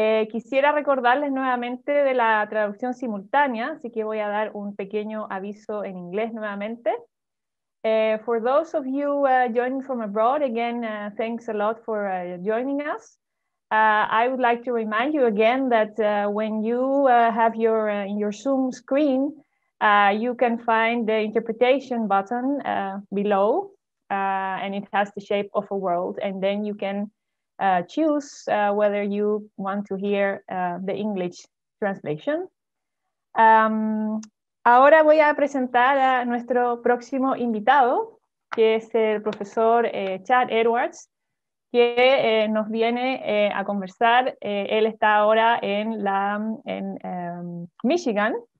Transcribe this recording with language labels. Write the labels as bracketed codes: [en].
[es] Quisiera recordarles nuevamente de la traducción simultánea, así que voy a dar un pequeño aviso en inglés nuevamente. [en] For those of you joining from abroad, again, thanks a lot for joining us. I would like to remind you again that when you have your in your Zoom screen, you can find the interpretation button below, and it has the shape of a world, and then you can choose whether you want to hear the English translation. [es] Ahora voy a presentar a nuestro próximo invitado, que es el profesor Chad Edwards, que nos viene a conversar. Él está ahora en Michigan.